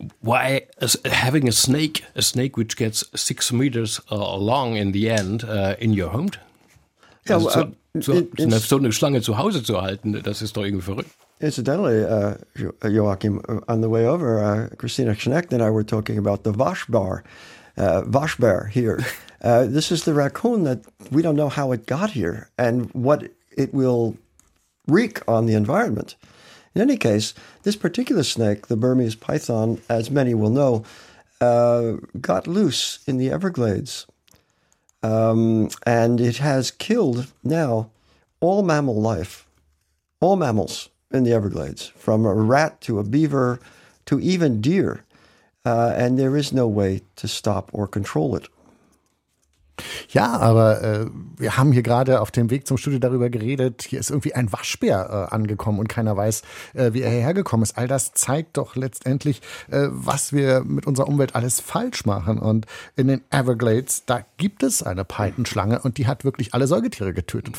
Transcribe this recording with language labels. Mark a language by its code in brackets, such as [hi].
[en] Why having a snake which gets 6 meters long in the end in your home? Yeah, [de] eine Schlange zu Hause zu halten, das ist doch irgendwie verrückt. [en] Incidentally, Joachim, on the way over, Christina Schneck and I were talking about the Waschbär here. This is the raccoon that we don't know how it got here and what it will wreak on the environment. In any case, this particular snake, the Burmese python, as many will know, got loose in the Everglades. And it has killed now all mammal life, all mammals in the Everglades, from a rat to a beaver to even deer. And there is no way to stop or control it. [de] Ja, aber wir haben hier gerade auf dem Weg zum Studio darüber geredet, hier ist irgendwie ein Waschbär angekommen und keiner weiß, wie er hergekommen ist. All das zeigt doch letztendlich, was wir mit unserer Umwelt alles falsch machen. Und in den Everglades, da gibt es eine Python-Schlange und die hat wirklich alle Säugetiere getötet.